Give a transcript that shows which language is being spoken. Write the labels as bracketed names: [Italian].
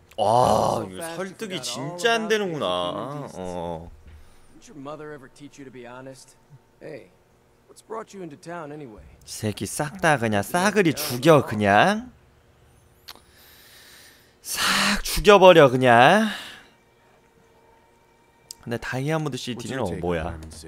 [Korean] 와, 이거 설득이 진짜 안 되는구나. [English] Didn't your mother ever teach you to be honest? Hey, what's brought you into town anyway? [Korean] 새끼 싹 다 그냥 싸그리 죽여 그냥. 싹 죽여버려 그냥. 근데 다이아몬드 시티는 뭐야?